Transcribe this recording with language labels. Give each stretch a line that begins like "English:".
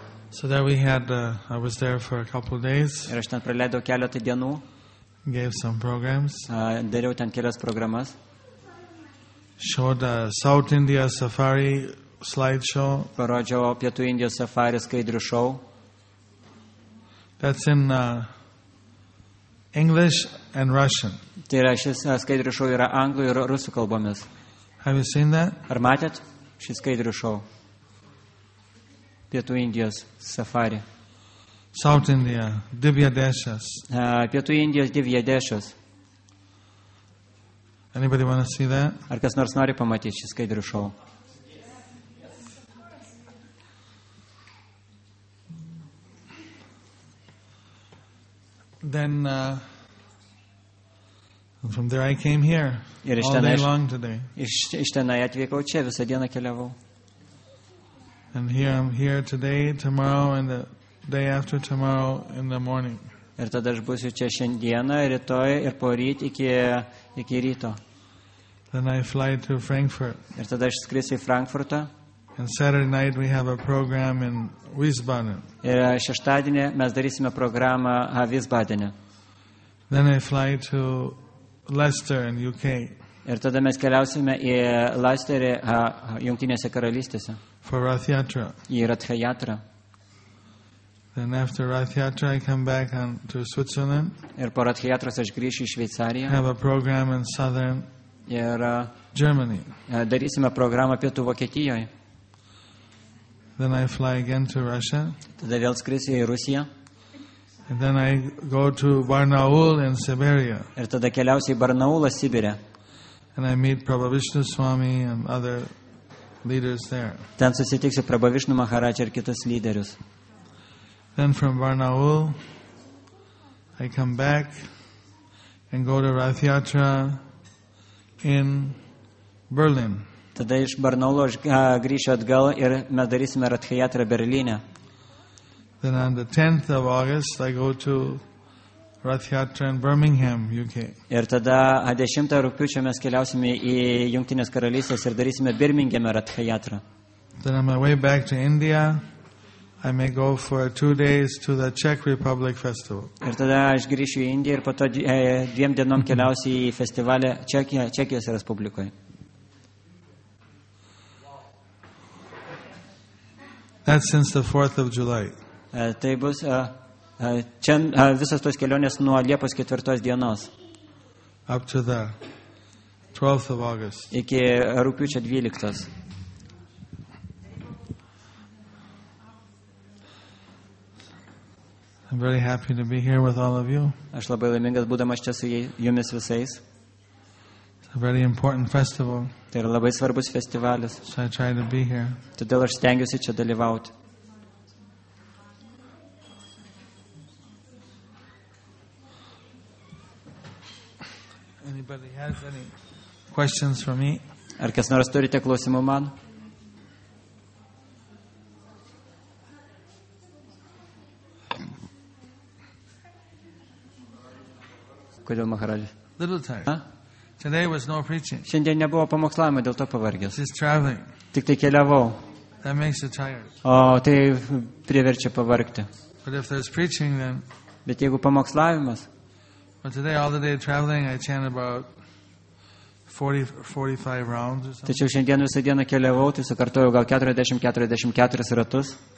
English: So there we had I was there for a couple of days.
Lithuanian: Ir aš ten praleidau keletą dienų.
English: Gave some programs.
Lithuanian: Dariau ten kelias programas.
English: Showed a South India safari slideshow.
Lithuanian: Parodžiau Pietų Indijos safari skaidrių show.
English: That's in English and Russian.
Lithuanian: Tai yra, šis skaidrių show yra anglų ir rusų kalbomis.
English: Have you seen that?
Lithuanian: Ar matėt šis skaidrių show? Pietų Indijos safari.
English: South India, Divya Deshas.
Lithuanian: Pietų Indijos Divya Deshas.
English: Anybody want to see that?
Lithuanian: Ar kas nors nori pamatyti šį skaidrių show?
English: Then from there I came here all day long today.
Lithuanian: Iš tenai atvykau čia, visą dieną keliavau.
English: And here I'm here today, tomorrow, and the day after tomorrow in the morning.
Lithuanian: Ir tada aš būsiu čia šiandieną, rytoj ir poryt iki ryto.
English: Then I fly to Frankfurt.
Lithuanian: Ir tada aš skrisiu į Frankfurtą.
English: And Saturday night we have a program in Wiesbaden.
Lithuanian: Ir šeštadienį mes darysime programą Wiesbadene.
English: Then I fly to Leicester in UK.
Lithuanian: Ir tada mes keliausime į Leicesterį Jungtinėse karalystėse.
English: For Rath Yatra.
Lithuanian: Į Rath Yatra.
English: Then after Rath Yatra I come back to Switzerland.
Lithuanian: Ir po Rath Yatros aš grįšiu į Šveicariją.
English: Have a program in southern Germany.
Lithuanian: Darysime programą Pietų Vokietijoje.
English: Then I fly again to Russia.
Lithuanian: Tada vėl skrisiu į Rusiją.
English: And then I go to Barnaul in Siberia.
Lithuanian: Ir tada keliausiu į Barnaulą Sibire.
English: And I meet Prabhavishnu Swami and other leaders there.
Lithuanian: Ten susitiksiu Prabhavishnu Maharaj ir kitus lyderius.
English: Then from Barnaul I come back and go to Rath Yatra in Berlin.
Lithuanian: Tada iš Barnaulo aš grįšiu atgal ir mes darysime Rath Yatra Berlyne.
English: Then on the 10th of August I go to Rath Yatra in Birmingham, UK.
Lithuanian: Ir tada 10 rugpjūčio mes keliausime į Jungtinės karalystės ir darysime Birmingham Rath Yatra.
English: Then on my way back to India I may go for 2 days to the Czech Republic festival.
Lithuanian: Ir tada aš grįšiu į Indiją ir po to 2 dienom keliausiu į festivalį Čekijos Respublikoje.
English: That's since the 4th of July.
Lithuanian: Tai bus čia visas tos kelionės nuo Liepos 4 dienos.
English: Up to the 12th of August.
Lithuanian: Iki rugpjūčio 12.
English: I'm very happy to be here with all of you.
Lithuanian: Aš labai laimingas būdamas čia su jumis visais.
English: A very important festival.
Lithuanian: Tai yra labai svarbus festivalis.
English: So I try to be here.
Lithuanian: Todėl aš stengiuosi čia dalyvauti.
English: Anybody has any questions for me?
Lithuanian: Ar kas nors turite klausimų man? Kodėl Maharadžas?
English: Little time. Today was no preaching.
Lithuanian: Šiandien nebuvo pamokslavimo, dėl to pavargęs.
English: Just traveling.
Lithuanian: Tik tai keliavau.
English: That makes you tired.
Lithuanian: O tai priverčia pavargti.
English: But if there's preaching, then.
Lithuanian: Bet jeigu pamokslavimas.
English: But today, all the day traveling, I chant about 40-45 rounds or something.
Lithuanian: Tačiau šiandien visą dieną keliavau, tai sukartojau gal 40-44 ratus.